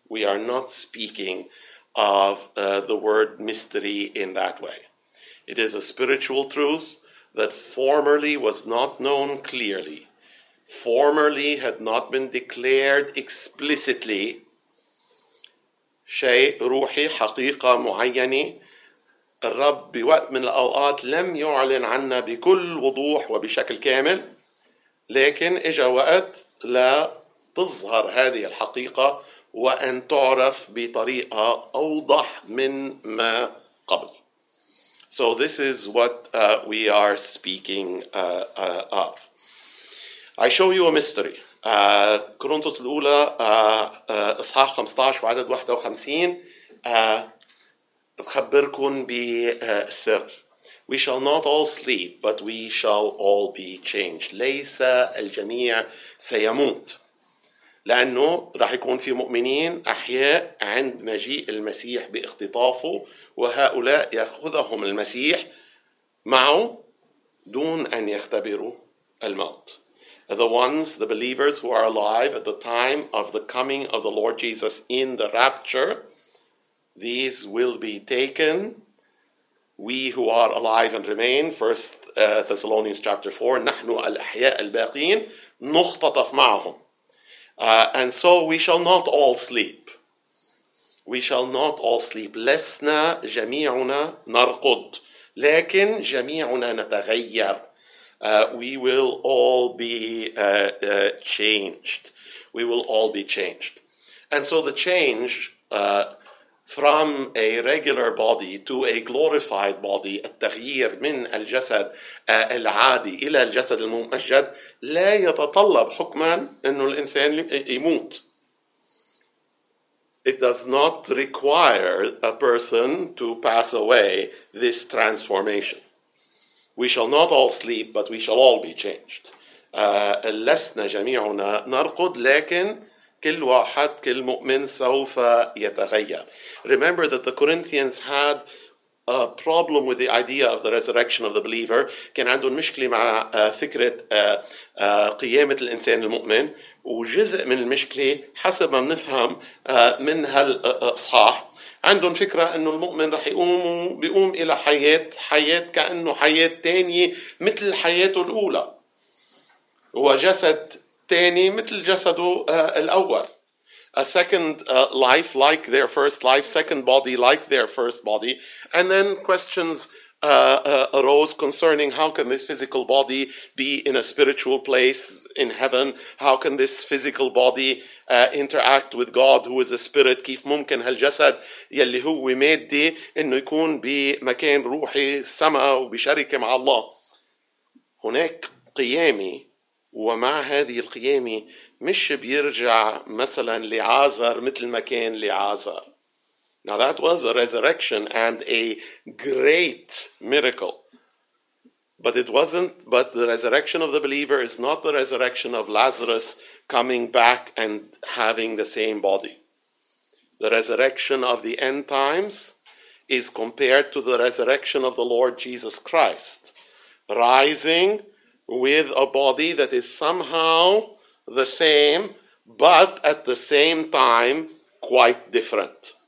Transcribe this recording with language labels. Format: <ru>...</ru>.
<en>We are not speaking of the word mystery in that way. It is a spiritual truth that formerly was not known clearly, formerly had not been declared explicitly.</en> <ar>شيء روحي حقيقة معينة الرب بوقت من الأوقات لم يعلن عنا بكل وضوح وبشكل كامل لكن إجا وقت لا تظهر هذه الحقيقة وأن تعرف بطريقة أوضح من ما قبل.</ar> <en>So this is what we are speaking of. I show you a mystery.</en> <ar>كورنثوس الأولى إصحاح 15 وعدد 51 أخبركم بسر.</ar> <en>We shall not all sleep, but we shall all be changed.</en> <ar>ليس الجميع سيموت. لأنه راح يكون في مؤمنين أحياء عند مجيء المسيح باختطافه وهؤلاء يأخذهم المسيح معه دون أن يختبروا الموت.</ar> <en>The ones, the believers who are alive at the time of the coming of the Lord Jesus in the rapture, these will be taken. We who are alive and remain, 1 Thessalonians chapter 4,</en> <ar>نحن الأحياء الباقين نختطف معهم.</ar> <en>And so we shall not all sleep. We shall not all sleep.</en> <ar>لسنا جميعنا نرقد. لكن جميعنا نتغير.</ar> <en>We will all be changed. We will all be changed. And so the change from a regular body to a glorified body,</en> <ar>التغيير من الجسد العادي إلى الجسد الممجد لا يتطلب حكما إنه الإنسان يموت.</ar> <en>It does not require a person to pass away this transformation. We shall not all sleep, but we shall all be changed.</en> <ar>لسنا جميعنا نرقد لكن كل واحد كل مؤمن سوف يتغير.</ar> <en>Remember that the Corinthians had a problem with the idea of the resurrection of the believer.</en> <ar>كان عندهم مشكلة مع فكرة قيامة الإنسان المؤمن. وجزء من المشكلة حسب ما نفهم من هالإصحاح عندهم فكرة إنه المؤمن رح يقوم بيقوم إلى حياة كأنه حياة تانية مثل حياته الأولى. وجسد تاني مثل جسده الأول.</ar> <en>A second life like their first life, second body like their first body. And then questions arose concerning how can this physical body be in a spiritual place in heaven? How can this physical body interact with God who is a spirit?</en> <ar>كيف ممكن هالجسد يلي هو مادي إنه يكون بمكان روحي سما وبشركة مع الله؟ هناك قيامي. ومع هذه القيامة مش بيرجع مثلا لعازر مثل ما كان لعازر.</ar> <en>Now that was a resurrection and a great miracle. But the resurrection of the believer is not the resurrection of Lazarus coming back and having the same body. The resurrection of the end times is compared to the resurrection of the Lord Jesus Christ, rising with a body that is somehow the same, but at the same time quite different.</en>